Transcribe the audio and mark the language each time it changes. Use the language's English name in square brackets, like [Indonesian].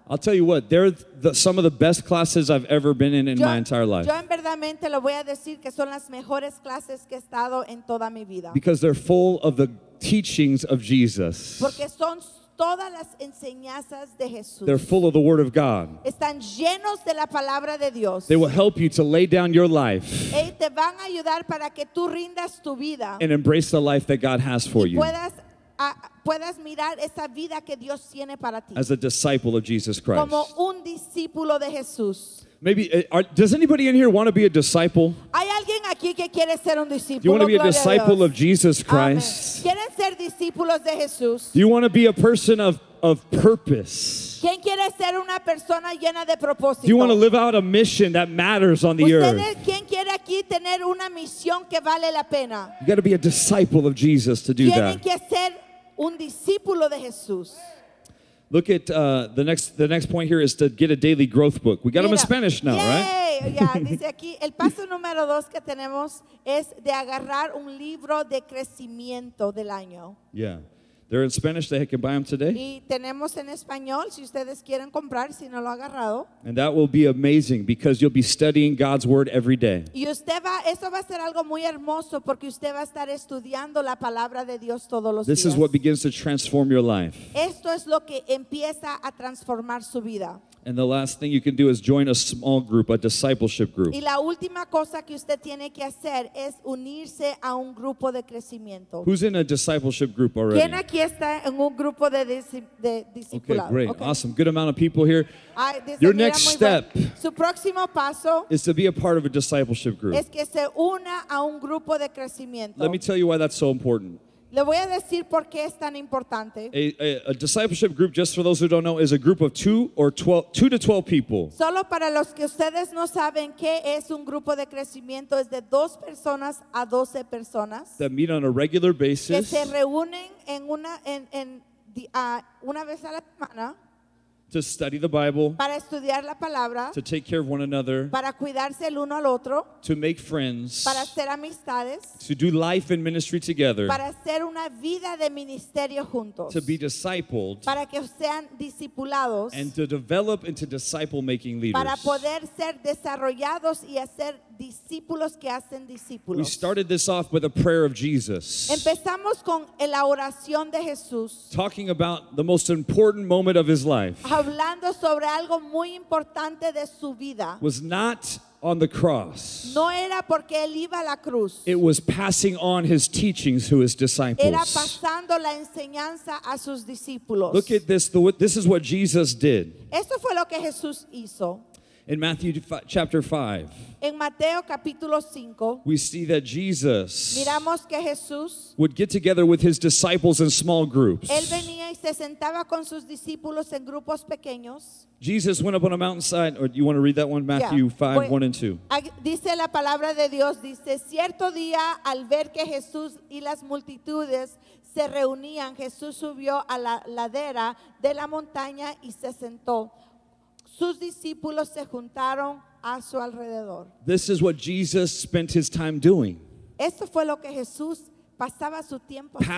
[English] I'll tell you what, they're some of the best classes I've ever been in my entire life. [Spanish] Yo en verdadmente lo voy a decir que son las mejores clases que he estado en toda mi vida. [English] Because they're full of the teachings of Jesus. [Spanish] Porque son todas las enseñanzas de Jesús. [English] They're full of the Word of God. [Spanish] Están llenos de la palabra de Dios. [English] They will help you to lay down your life. [Spanish] Y te van a ayudar para que tú rindas tu vida. [English] And embrace the life that God has for [Spanish] y [English] you. [Spanish] Puedas mirar esa vida que Dios tiene para ti. [English] As a disciple of Jesus Christ. [Spanish] Como un discípulo de Jesús. [English] Maybe, does anybody in here want to be a disciple? [Spanish] ¿Hay alguien aquí que quiere ser un discípulo? [English] Do you want to be a disciple of Jesus Christ? [Spanish] Amen. ¿Quieren ser discípulos de Jesús? [English] Do you want to be a person of purpose? [Spanish] ¿Quién quiere ser una persona llena de propósito? [English] Do you want to live out a mission that matters on the earth? [Spanish] ¿Quién quiere aquí tener una misión que vale la pena? [English] You got to be a disciple of Jesus to do that. [Spanish] ¿Quieren que ser un discípulo de Jesús? [English] Look at the next point here is to get a daily growth book. We got [Spanish] mira, [English] them in Spanish now, yay, right? [Spanish] Yeah, dice aquí, el paso número dos que tenemos es de agarrar un libro de crecimiento del año. [English] Yeah, they're in Spanish, they can buy them today. [Spanish] Y tenemos en español, si ustedes quieren comprar, si no lo ha agarrado. [English] And that will be amazing because you'll be studying God's Word every day. [Spanish] Y usted va, eso va a ser algo muy hermoso porque usted va a estar estudiando la palabra de Dios todos los días. [English] This is what begins to transform your life. [Spanish] Esto es lo que empieza a transformar su vida. [English] And the last thing you can do is join a small group, a discipleship group. [Spanish] Y la última cosa que usted tiene que hacer es unirse a un grupo de crecimiento. [English] Who's in a discipleship group already? [Spanish] ¿Quién aquí está en un grupo de discipulado? [English] Okay, great. Okay. Awesome. Good amount of people here. Your next step is to be a part of a discipleship group. [Spanish] Es que se una a un grupo de crecimiento. [English] Let me tell you why that's so important. [Spanish] Le voy a decir por qué es tan importante. [English] A discipleship group, just for those who don't know, is a group of two to 12 people. [Spanish] Solo para los que ustedes no saben qué es un grupo de crecimiento, es de dos personas a 12 personas. [English] That meet on a regular basis. [Spanish] Que se reúnen una vez a la semana. [English] To study the Bible. [Spanish] Para estudiar la palabra. [English] To take care of one another. [Spanish] Para cuidarse el uno al otro. [English] To make friends. [Spanish] Para hacer amistades. [English] To do life and ministry together. [Spanish] Para hacer una vida de ministerio juntos. [English] To be discipled. [Spanish] Para que sean discipulados. [English] And to develop into disciple-making leaders. [Spanish] Para poder ser desarrollados y hacer discípulos que hacen discípulos. [English] We started this off with a prayer of Jesus. [Spanish] Empezamos con la oración de Jesús. [English] Talking about the most important moment of his life. [Spanish] Hablando sobre algo muy importante de su vida. [English] Was not on the cross. [Spanish] No era porque él iba a la cruz. [English] It was passing on his teachings to his disciples. [Spanish] Era pasando la enseñanza a sus discípulos. [English] Look at this. This is what Jesus did. [Spanish] Esto fue lo que Jesús hizo. [English] In Matthew chapter 5, [Spanish] en Mateo capítulo 5, [English] we see that Jesus, [Spanish] miramos que Jesús, [English] would get together with his disciples in small groups. [Spanish] Él venía y se sentaba con sus discípulos en grupos pequeños. [English] Jesus went up on a mountainside, or do you want to read that one? Matthew 5, 1 and 2. [Spanish] Dice la palabra de Dios, dice, cierto día al ver que Jesús y las multitudes se reunían, Jesús subió a la ladera de la montaña y se sentó. Sus discípulos se juntaron a su alrededor. [English] This is what Jesus spent his time doing. [Spanish] Esto fue lo que Jesús pasaba su tiempo haciendo.